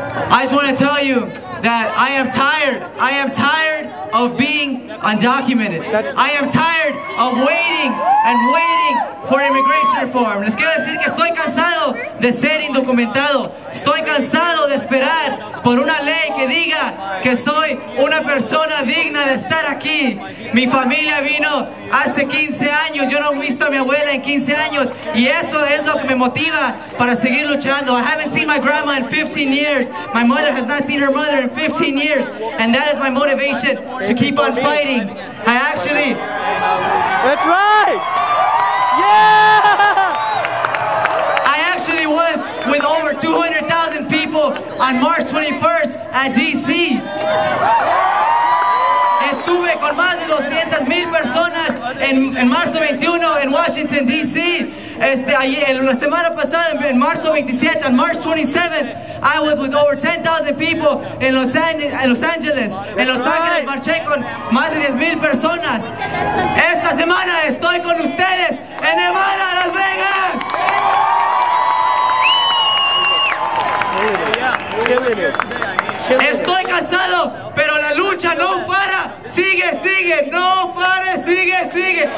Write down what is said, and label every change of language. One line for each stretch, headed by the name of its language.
English: I just want to tell you that I am tired. I am tired of being undocumented. I am tired of waiting and waiting for immigration reform.
Spanish: Les quiero decir que estoy cansado de ser indocumentado. Estoy cansado de esperar por una ley que diga que soy una persona digna de estar aquí. Mi familia vino hace 15 años. Yo no he visto a mi abuela en 15 años. Y eso es lo que me motiva para seguir luchando.
English: I haven't seen my grandma in 15 years. My mother has not seen her mother in 15 years. And that is my motivation to keep on fighting. I actually... That's right! Yeah! I actually was with over 200,000 people on March 21st at D.C.
Spanish: Estuve con más de 200,000 personas en marzo 21 en Washington, D.C. La semana pasada, en marzo 27,
English: on March 27th, I was with over 10,000 people in Los Angeles.
Spanish: En Los Angeles marché con más de 10,000 personas. Esta semana estoy con ustedes en Nevada, Las Vegas. Estoy cansado, pero la lucha no para. Sigue, sigue, no pare, sigue, sigue.